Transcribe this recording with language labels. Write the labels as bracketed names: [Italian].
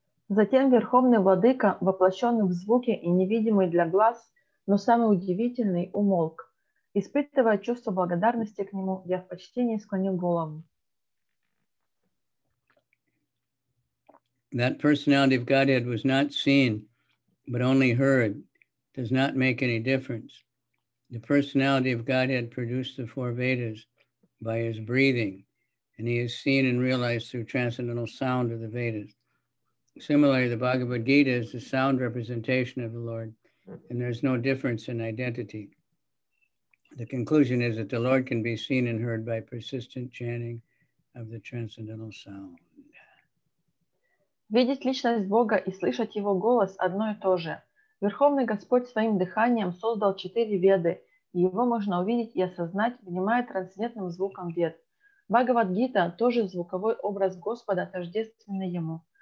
[Russian] Затем Верховный Владыка, воплощенный в звуке и невидимый для глаз, но самый удивительный умолк. Испытывая чувство благодарности к нему, я в почтении склонил голову. [English] That personality of Godhead was not seen, but only heard, does not make any difference. The personality of Godhead produced the four Vedas by his breathing, and he is seen and realized through transcendental sound of the Vedas. Similarly, the Bhagavad Gita is the sound representation of the Lord, and there's no difference in identity. The conclusion is that the Lord can be seen and heard by persistent chanting of the transcendental sound. [Russian] Видеть личность Бога и слышать его голос одно и то же. Верховный Господь своим дыханием создал четыре веды, и его можно увидеть и осознать, внимая трансцендентным звуком вед. Бхагавад-гита тоже звуковой образ Господа, тождественный ему.